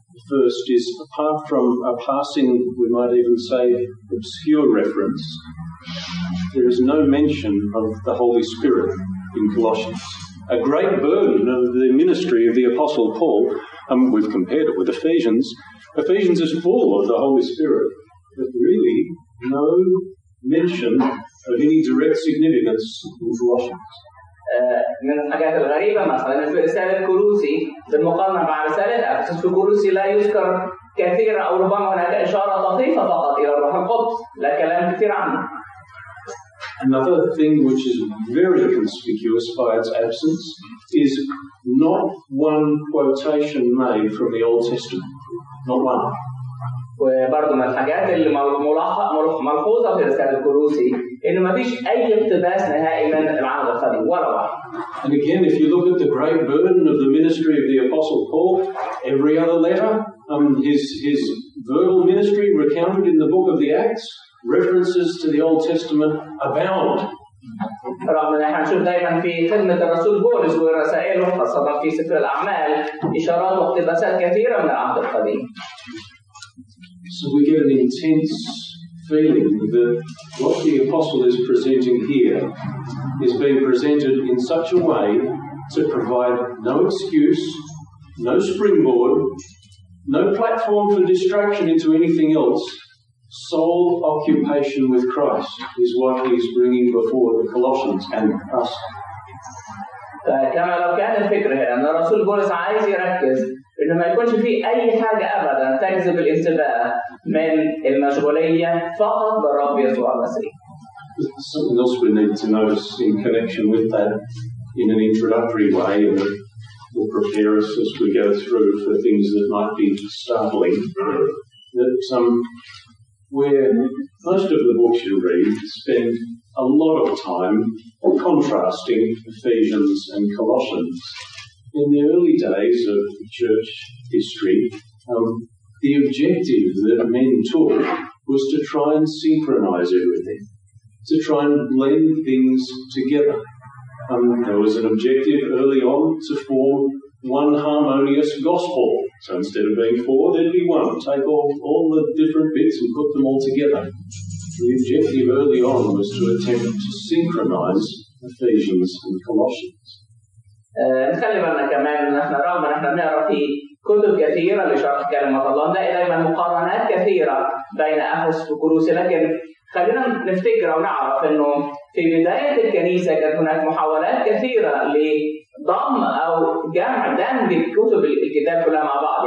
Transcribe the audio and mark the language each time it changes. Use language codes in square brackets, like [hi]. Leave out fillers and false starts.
[en] First is, apart from a passing, we might even say, obscure reference, there is no mention of the Holy Spirit in Colossians. A great burden of the ministry of the Apostle Paul, we've compared it with Ephesians, Ephesians is full of the Holy Spirit, but really no mention of any direct significance in Colossians. [ar] من الحاجات الغريبة مثلاً في رسالة كولوسي بالمقارنة مع رسالة أفسس في كولوسي لا يذكر كثير أو ربما هناك إشارة لطيفة فقط إلى الروح القدس لا كلام كثير عنه. [en] Another thing which is very conspicuous by its absence is not one quotation made from the Old Testament, not one. [ar] وبرضه من الحاجات اللي ملحوظة في رسالة كولوسي إنه ما فيش أي اقتباس نهائي من العهد القديم ولا واحد. [en] And again, if you look at the great burden of the ministry of the Apostle Paul, every other letter, his verbal ministry recounted in the book of the Acts, references to the Old Testament abound. [ar] رغم إن إحنا نشوف دائما في خدمة الرسول بولس ورسائله خاصة في سفر الأعمال إشارات واقتباسات كثيرة من العهد القديم. [en] So we get an intense feeling that what the apostle is presenting here is being presented in such a way to provide no excuse, no springboard, no platform for distraction into anything else. Soul occupation with Christ is what he is bringing before the Colossians and us. [ar] كما لو كان الفكر هنا أن الرسول بولس عايز يركز إنه ما يكونش في أي حاجة أبدا تجذب الانتباه من المشغولية فقط بالرب يسوع المسيح. [en] Something else we need to notice in connection with that in an introductory way and will prepare us as we go through for things that might be startling. That where most of the books you read spend a lot of time contrasting Ephesians and Colossians. In the early days of church history, the objective that men took was to try and synchronize everything, to try and blend things together. There was an objective early on to form one harmonious gospel. So instead of being four, there'd be one. Take all the different bits and put them all together. The objective early on was to attempt to synchronize Ephesians and Colossians. [ar] نخلي بالنا كمان ان احنا رغم ان احنا بنقرا في كتب كثيره لشرح كلمه الله نلاقي دائما مقارنات كثيره بين افسس وكولوسي، لكن خلينا نفتكر او نعرف انه في بدايه الكنيسه كانت هناك محاولات كثيره لضم او جمع دمج كتب الكتاب كلها مع بعض.